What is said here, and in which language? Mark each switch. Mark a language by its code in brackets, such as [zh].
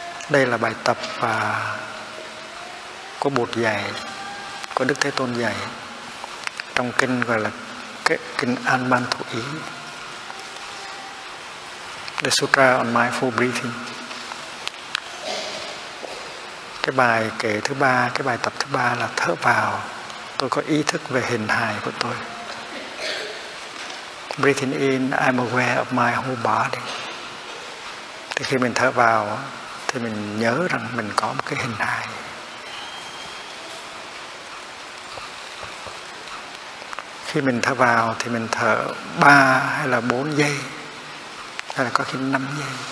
[vi] Đây là bài tập của Bụt dạy, của Đức Thế Tôn dạy trong kinh gọi là kinh An Ban Thủ Ý, The Sutra on Mindful Breathing. Cái bài kể thứ ba, cái bài tập thứ ba là thở vào, tôi có ý thức về hình hài của tôi. [en] Breathing in, I'm aware of my whole body. [vi] Thì khi mình thở vào thì mình nhớ rằng mình có một cái hình hài. Khi mình thở vào thì mình thở 3 hay là 4 giây hay là có khi 5 giây.